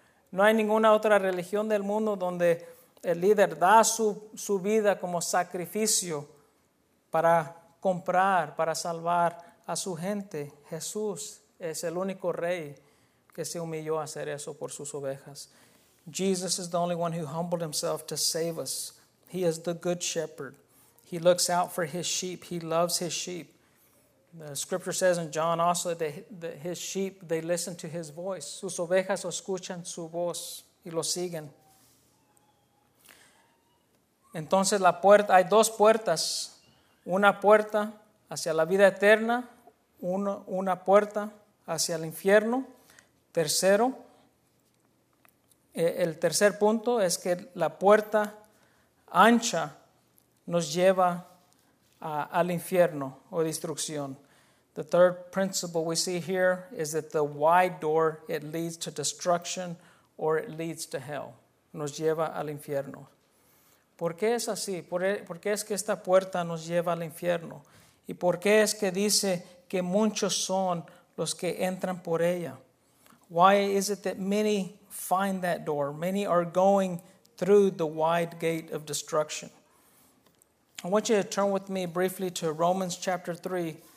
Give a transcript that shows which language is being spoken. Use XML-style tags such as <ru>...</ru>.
<es>No hay ninguna otra religión del mundo donde el líder da su vida como sacrificio para comprar, para salvar a su gente. Jesús es el único rey que se humilló a hacer eso por sus ovejas.</es> <en>Jesus is the only one who humbled himself to save us. He is the good shepherd. He looks out for his sheep. He loves his sheep. The scripture says in John also that his sheep, they listen to his voice.</en> <es>Sus ovejas escuchan su voz y lo siguen. Entonces la puerta, hay dos puertas. Una puerta hacia la vida eterna. Una puerta hacia el infierno. Tercero, el tercer punto es que la puerta ancha nos lleva al infierno o destrucción.</es> <en>The third principle we see here is that the wide door, it leads to destruction or it leads to hell.</en> <es>Nos lleva al infierno. ¿Por qué es así? ¿Por qué es que esta puerta nos lleva al infierno? ¿Y por qué es que dice que muchos son los que entran por ella?</es> <en>Why is it that many find that door? Many are going through the wide gate of destruction. I want you to turn with me briefly to Romans chapter 3.</en>